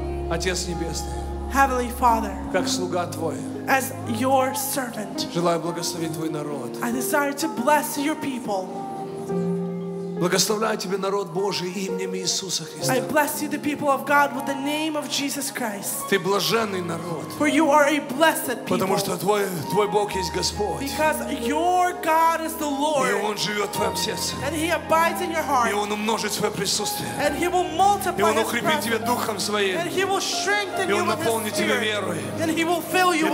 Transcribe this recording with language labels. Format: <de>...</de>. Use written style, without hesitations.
<ru>Отец Небесный, как слуга Твой,</ru> <en>as your servant,</en> <ru>желаю благословить Твой народ.</ru> <en>I desire to bless your people.</en> <ru>Благословляю Тебе народ Божий именем Иисуса Христа.</ru> <en>I bless you, the people of God, with the name of Jesus Christ.</en> <ru>Ты блаженный народ.</ru> <en>For you are a blessed people.</en> <ru>Потому что твой Бог есть Господь.</ru> <en>Because your God is the Lord.</en> <ru>И Он живет в твоем сердце.</ru> <en>And He abides in your heart.</en> <ru>И Он умножит свое присутствие.</ru> <en>And He will multiply His</en> <ru>И Он укрепит тебя духом своим.</ru> <en>And He will strengthen you with His spirit.</en> <ru>И Он наполнит тебя верой.</ru> <en>And He will fill you with faith.</en>